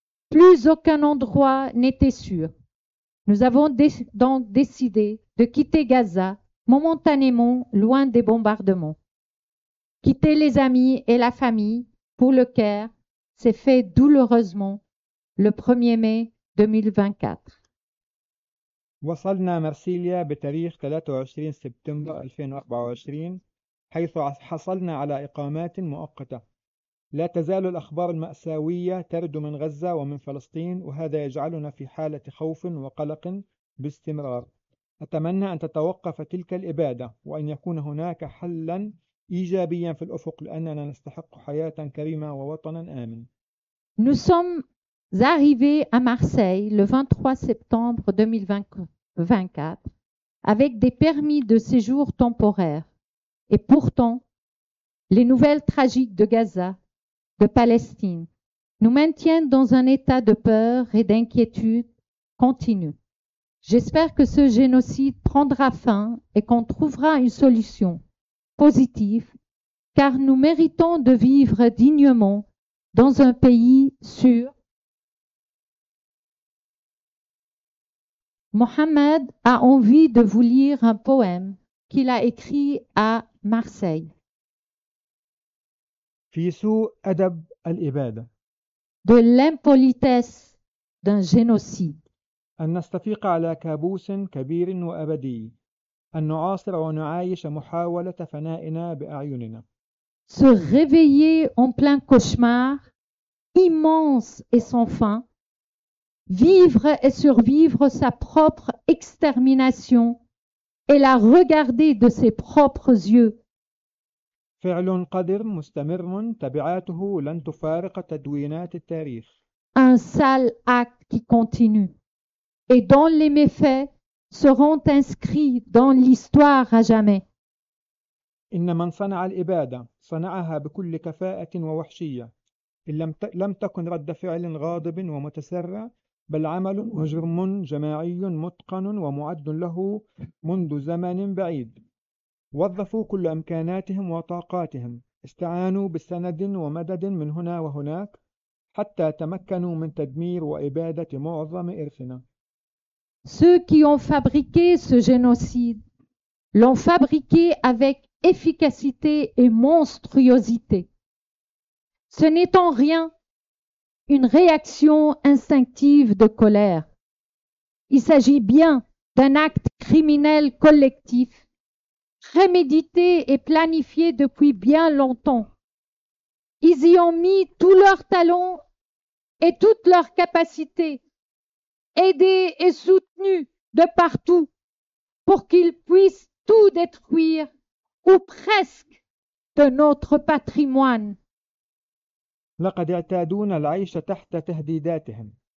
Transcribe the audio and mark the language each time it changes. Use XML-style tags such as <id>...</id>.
<fr>Plus aucun endroit n'était sûr. Nous avons donc décidé de quitter Gaza momentanément, loin des bombardements. Quitter les amis et la famille pour le Caire s'est fait douloureusement le 1er mai 2024.</fr> <ar>وصلنا مرسيليا بتاريخ 23 سبتمبر 2024 حيث حصلنا على إقامات مؤقتة. لا تزال الأخبار المأساوية ترد من غزة ومن فلسطين وهذا يجعلنا في حالة خوف وقلق باستمرار. أتمنى أن تتوقف تلك الإبادة وأن يكون هناك حلا إيجابيا في الأفق لأننا نستحق حياة كريمة ووطنا آمن.</ar> <fr>Arrivés à Marseille le 23 septembre 2024 avec des permis de séjour temporaires. Et pourtant, les nouvelles tragiques de Gaza, de Palestine, nous maintiennent dans un état de peur et d'inquiétude continue. J'espère que ce génocide prendra fin et qu'on trouvera une solution positive, car nous méritons de vivre dignement dans un pays sûr. Mohamed a envie de vous lire un poème qu'il a écrit à Marseille.</fr> <ar>في سوء أدب الإبادة.</ar> <fr>De l'impolitesse d'un génocide.</fr> <ar>أن نستفيق على كابوس كبير وأبدي. أن نعاصر ونعايش محاولة فنائنا بأعيننا.</ar> <fr>Se réveiller en plein cauchemar, immense et sans fin. Vivre et survivre sa propre extermination et la regarder de ses propres yeux.</fr> <ar>فعل قدر مستمر تبعاته لن تفارق تدوينات التاريخ.</ar> <fr>Un sale acte qui continue et dont les méfaits seront inscrits dans l'histoire à jamais.</fr> <ar>إن من صنع الإبادة صنعها بكل كفاءة ووحشية. إن لم تكن رد فعل غاضب ومتسرع بل عمل وجرم جماعي متقن ومعد له منذ زمن بعيد. وظفوا كل امكاناتهم وطاقاتهم استعانوا بسند ومدد من هنا وهناك حتى تمكنوا من تدمير وإبادة معظم إرثنا.</ar> <fr>Ceux qui ont fabriqué ce génocide l'ont fabriqué avec efficacité et monstruosité. Ce n'est en rien une réaction instinctive de colère. Il s'agit bien d'un acte criminel collectif prémédité et planifié depuis bien longtemps. Ils y ont mis tous leurs talents et toutes leurs capacités, aidés et soutenus de partout pour qu'ils puissent tout détruire ou presque de notre patrimoine.</fr> <ar>لقد اعتادون العيش تحت تهديداتهم.</ar>